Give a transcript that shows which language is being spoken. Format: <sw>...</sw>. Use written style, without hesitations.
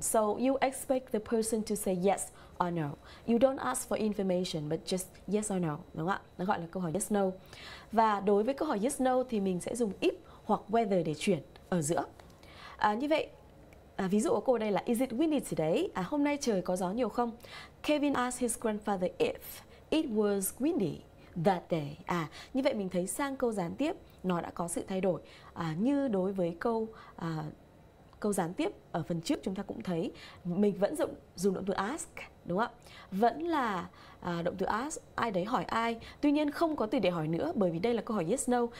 <en>So you expect the person to say yes or no. You don't ask for information but just yes or no,</en> <vi>đúng không ạ? Nó gọi là câu hỏi</vi> <en>yes no.</en> <vi>Và đối với câu hỏi yes no thì mình sẽ dùng if hoặc whether để chuyển ở giữa. Như vậy ví dụ của cô đây là</vi> <en>is it windy today?</en> <vi>À, hôm nay trời có gió nhiều không?</vi> <en>Kevin asked his grandfather if it was windy that day.</en> <vi>À, như vậy mình thấy sang câu gián tiếp nó đã có sự thay đổi. Như đối với câu câu gián tiếp ở phần trước chúng ta cũng thấy mình vẫn dùng động từ ask, đúng không ạ? Vẫn là động từ ask, ai đấy hỏi ai. Tuy nhiên không có từ để hỏi nữa bởi vì đây là câu hỏi yes, no.</vi>